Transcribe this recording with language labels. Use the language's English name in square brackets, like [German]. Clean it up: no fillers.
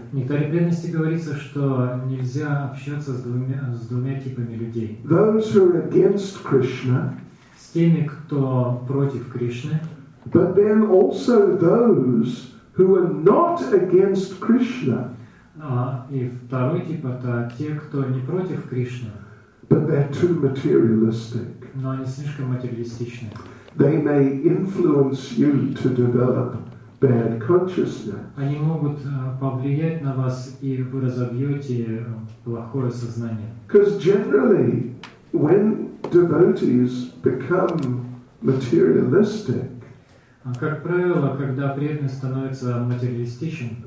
[Russian] В некоторой бедности говорится, что нельзя общаться с двумя типами людей. [English] Those who are against Krishna. [Russian] С теми, кто против Кришны. [English] But then also those who are not against Krishna. [Russian] И второй тип – это те, кто не против Кришны. [English] But they're too materialistic. [Russian] Но они слишком материалистичны. [English] They may influence you to develop bad consciousness. [Russian] Они могут повлиять на вас, и вы разобьете плохое сознание. [English] Because generally, when devotees become materialistic, [Russian] как правило, когда преданный становится материалистичен,